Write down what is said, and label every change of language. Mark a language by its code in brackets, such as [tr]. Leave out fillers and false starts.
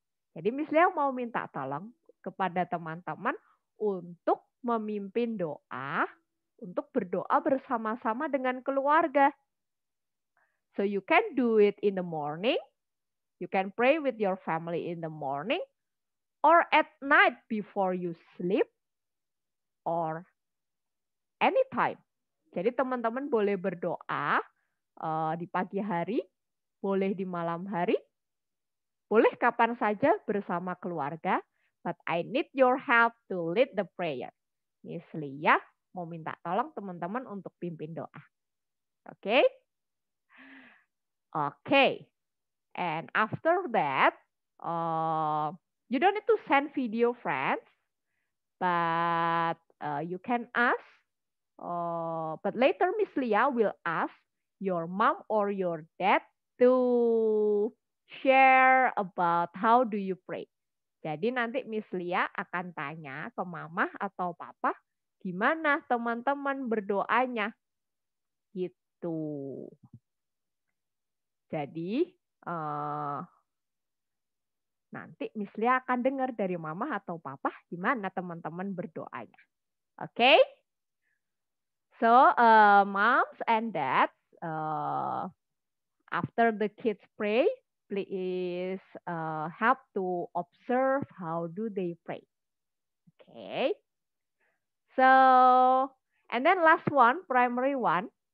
[id] Jadi Miss Leo mau minta tolong kepada teman-teman untuk memimpin doa, untuk berdoa bersama-sama dengan keluarga. [en] So you can do it in the morning. You can pray with your family in the morning or at night before you sleep or anytime. [id] Jadi teman-teman boleh berdoa di pagi hari, boleh di malam hari, boleh kapan saja bersama keluarga. [en] But I need your help to lead the prayer. [id] Miss Lia mau minta tolong teman-teman untuk pimpin doa. [en] Okay? Okay. And after that, you don't need to send video, friends. But you can ask. But later, Miss Lia will ask your mom or your dad to share about how do you pray. [id] Jadi nanti Miss Lia akan tanya ke mama atau papa, gimana teman-teman berdoanya? Gitu. Jadi, nanti Miss Lia akan dengar dari mama atau papa, gimana teman-teman berdoanya. [en] Okay? So, moms and dads, after the kids pray, please help to observe how do they pray. Okay. So, and then last one, primary one.